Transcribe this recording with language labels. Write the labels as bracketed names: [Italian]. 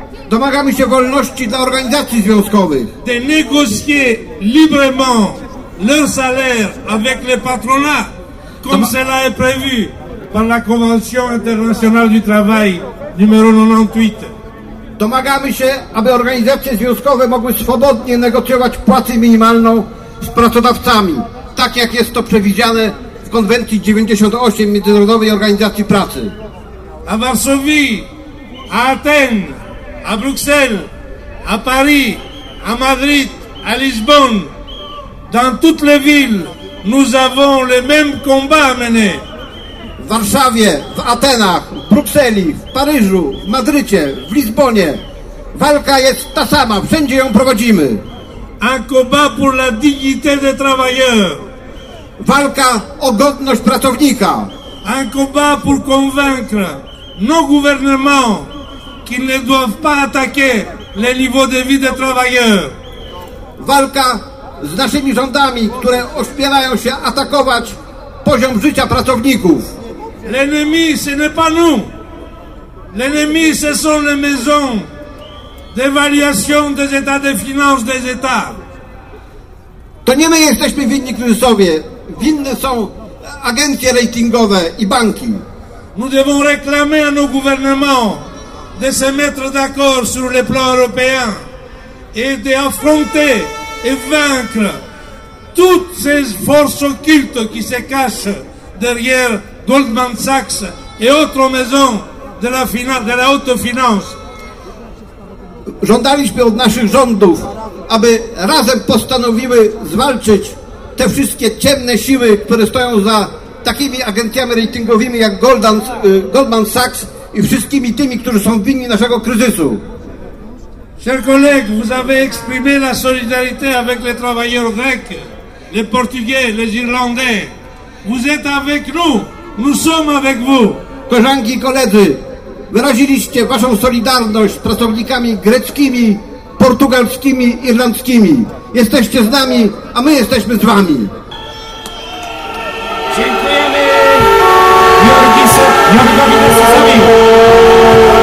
[Polish] Domagamy się wolności dla organizacji związkowych. [French] De négocier librement leur salaire avec le patronat, comme cela est prévu par la Convention internationale du travail numéro 98. [Polish] Domagamy się, aby organizacje związkowe mogły swobodnie negocjować płacę minimalną z pracodawcami, tak jak jest to przewidziane w konwencji 98 Międzynarodowej Organizacji Pracy. [French] A Varsovie, a Athènes, a Bruxelles, a Paris, a Madrid, a Lisbonne, dans toutes les villes, nous avons le même combat à mener. [Polish] W Warszawie, w Atenach, w Brukseli, w Paryżu, w Madrycie, w Lizbonie. Walka jest ta sama, wszędzie ją prowadzimy. [French] Un combat pour la dignité des travailleurs. [Polish] Walka o godność pracownika. [French] Un combat pour convaincre nos gouvernements qu'ils ne doivent pas attaquer le niveau de vie des travailleurs. [Polish] Walka z naszymi rządami, które ośmielają się atakować poziom życia pracowników. [French] L'ennemi, ce n'est pas nous. L'ennemi, ce sont les maisons d'évaluation des états de finances des états. [Polish] To nie my jesteśmy winni kryzysowie. Winne są agencje ratingowe i banki. [French] Nous devons réclamer à nos gouvernements de se mettre d'accord sur le plan européen et d'affronter et vaincre toutes ces forces occultes qui se cachent derrière Goldman Sachs et autres maisons de la haute finance. [Polish] Żądaliśmy od naszych rządów, aby razem postanowiły zwalczyć te wszystkie ciemne siły, które stoją za takimi agencjami ratingowymi jak Goldman Sachs i wszystkimi tymi, którzy są winni naszego kryzysu. [French] Chers collègues, vous avez exprimé la solidarité avec les travailleurs grecs, les portugais, les irlandais. Vous êtes avec nous. Nous sommes avec vous. [Polish] Koleżanki i koledzy, wyraziliście waszą solidarność z pracownikami greckimi, portugalskimi, irlandzkimi. Jesteście z nami, a my jesteśmy z wami. Dziękujemy Jorgowi Sosowi.